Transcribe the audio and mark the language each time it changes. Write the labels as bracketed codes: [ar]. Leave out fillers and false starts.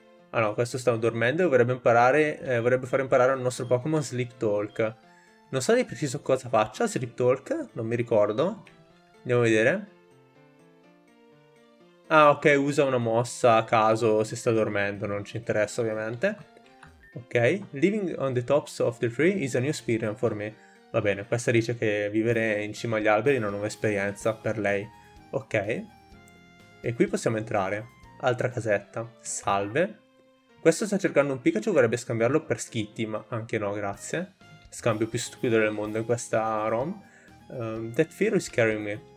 [it] Ah no, questo sta dormendo e vorrebbe far imparare al nostro Pokémon Sleep Talk. Non so di preciso cosa faccia Sleep Talk, non mi ricordo. Andiamo a vedere. Ah, ok, usa una mossa a caso se sta dormendo, non ci interessa ovviamente. [en] Ok, living on the tops of the tree is a new experience for me. [it] Va bene, questa dice che vivere in cima agli alberi è una nuova esperienza per lei. Ok, e qui possiamo entrare. Altra casetta. Salve. Questo sta cercando un Pikachu, vorrebbe scambiarlo per Skitty, ma anche no, grazie. Scambio più stupido del mondo in questa ROM. [en] That Firo is scaring me.